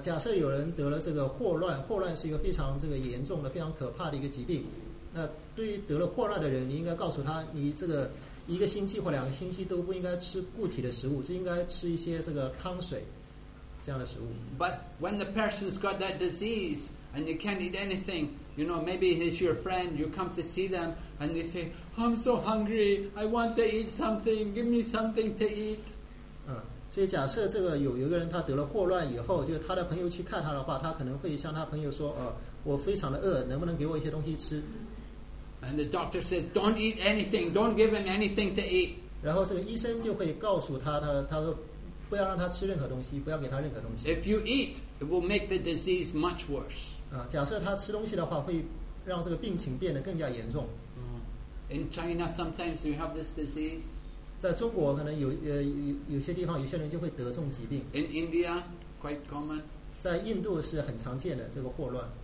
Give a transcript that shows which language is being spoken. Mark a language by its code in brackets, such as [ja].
[zh] 假设有人得了这个霍乱，霍乱是一个非常这个严重的、非常可怕的一个疾病。那对于得了霍乱的人，你应该告诉他，你这个一个星期或两个星期都不应该吃固体的食物，就应该吃一些这个汤水这样的食物。 [en] But when the person's got that disease and you can't eat anything, you know, maybe he's your friend. You come to see them and they say, "I'm so hungry. I want to eat something. Give me something to eat." [zh] 所以假设这个有一个人他得了霍乱以后，就他的朋友去看他的话，他可能会向他朋友说，我非常的饿，能不能给我一些东西吃。 [en] And the doctor said, don't eat anything, don't give him anything to eat. [zh] 然后这个医生就会告诉他，他说不要让他吃任何东西，不要给他任何东西。 [en] If you eat, it will make the disease much worse. [zh] 假设他吃东西的话，会让这个病情变得更加严重。 [en] In China, sometimes you have this disease. [zh] 在中国可能 有些地方有些人就会得这种疾病。 [en] In India, quite common. [zh] 在印度是很常见的这个霍乱。